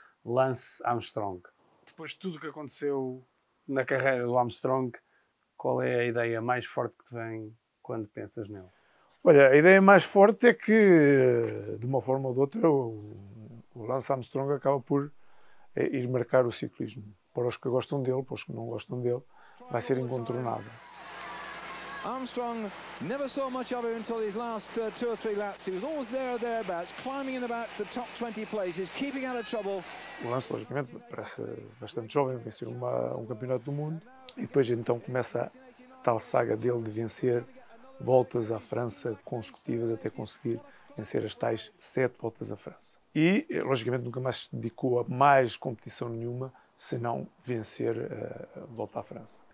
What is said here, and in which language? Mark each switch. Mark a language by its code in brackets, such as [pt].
[pt] Lance Armstrong. Depois de tudo o que aconteceu na carreira do Armstrong, qual é a ideia mais forte que te vem quando pensas nele? Olha, a ideia mais forte é que, de uma forma ou de outra, o Lance Armstrong acaba por ir marcar o ciclismo. Para os que gostam dele, para os que não gostam dele, vai ser incontornável. [en] Armstrong never saw much of him until these last two or three laps. He was always there or thereabouts, climbing in about the top 20 places, keeping out of trouble. [pt] O Lance, logicamente, parece bastante jovem, venceu um campeonato do mundo e depois então começa a tal saga dele de vencer voltas à França consecutivas até conseguir vencer as tais 7 voltas à França. E, logicamente, nunca mais se dedicou a mais competição nenhuma, senão vencer a volta à França.